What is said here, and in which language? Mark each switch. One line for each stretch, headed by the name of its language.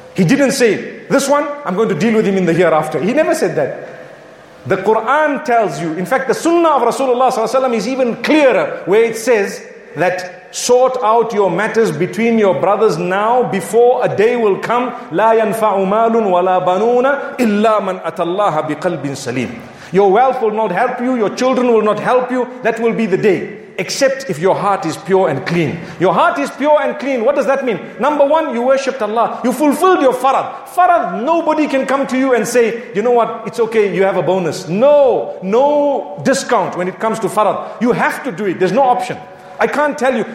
English: He didn't say, this one, I'm going to deal with him in the hereafter. He never said that. The Quran tells you, in fact, the sunnah of Rasulullah ﷺ is even clearer where it says that sort out your matters between your brothers now before a day will come.
Arabic: لا ينفع مال ولا بنون إلا من أتى الله بقلب سليم.
English: Your wealth will not help you, your children will not help you. That will be the day. Except if your heart is pure and clean. Your heart is pure and clean. What does that mean? Number one, you worshipped Allah. You fulfilled your farad. Farad, nobody can come to you and say, you know what, it's okay, you have a bonus. No, no discount when it comes to farad. You have to do it. There's no option. I can't tell you.